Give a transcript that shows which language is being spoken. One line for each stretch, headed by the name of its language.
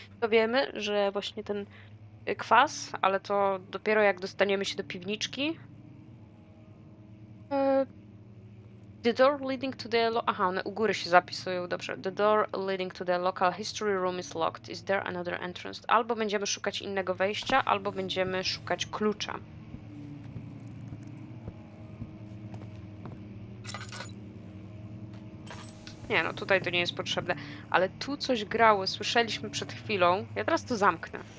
Polish: To wiemy, że właśnie ten kwas, ale to dopiero jak dostaniemy się do piwniczki.
English: The door leading to the...
Polish: Aha, one u góry się zapisują, dobrze.
English: The door leading to the local history room is locked. Is there another entrance?
Polish: Albo będziemy szukać innego wejścia, albo będziemy szukać klucza. Nie, no tutaj to nie jest potrzebne. Ale tu coś grało, słyszeliśmy przed chwilą. Ja teraz to zamknę.